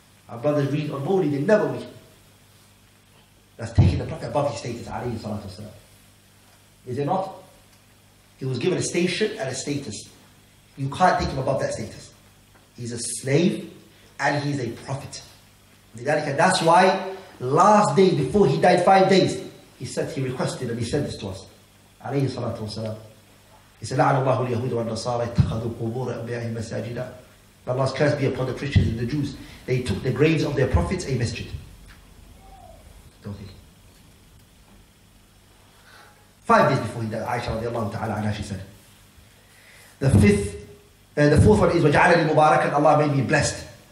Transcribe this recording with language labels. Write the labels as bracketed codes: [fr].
[en] Our brothers read on Mawlid al-Nabawi. That's taking the Prophet above his status, alayhi salatu wasalam. Is it not? He was given a station and a status. You can't take him above that status. He's a slave. And he's a prophet. That's why last day before he died, 5 days, he said, he requested and he said this to us. [ar] عليه الصلاة والسلام. [en] He said, [ar] لعن الله اليهود والنصارى اتخذوا قبور أنبيائهم مساجدا. [en] But Allah's curse be upon the Christians and the Jews. They took the graves of their prophets a masjid. Don't think. 5 days before he died, Aisha رضي الله تعالى عنها, she said. The fourth one is, [ar] وجعلني مباركا, [en] Allah made me blessed.